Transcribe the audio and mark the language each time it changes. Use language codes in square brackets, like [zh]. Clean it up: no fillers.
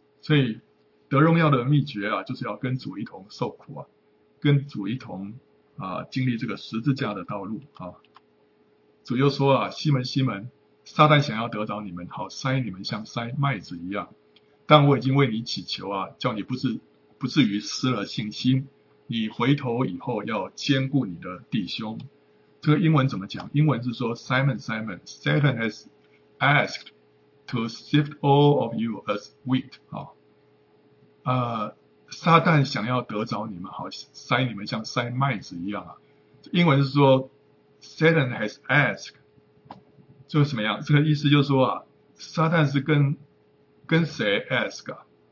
[zh] 所以得荣耀的秘诀啊，就是要跟主一同受苦啊，跟主一同经历这个十字架的道路啊。主又说啊，西门西门，撒旦想要得着你们，好筛你们像筛麦子一样。但我已经为你祈求啊，叫你不至于失了信心。你回头以后要兼顾你的弟兄。这个英文怎么讲？英文是说 [en] Simon, Simon, Satan has asked to sift all of you as wheat 啊。 [zh] 撒旦想要得着你们，好筛你们像筛麦子一样啊。英文是说 [en] Satan has asked， [zh] 就是什么样？这个意思就是说啊，撒旦是跟谁 ask 啊？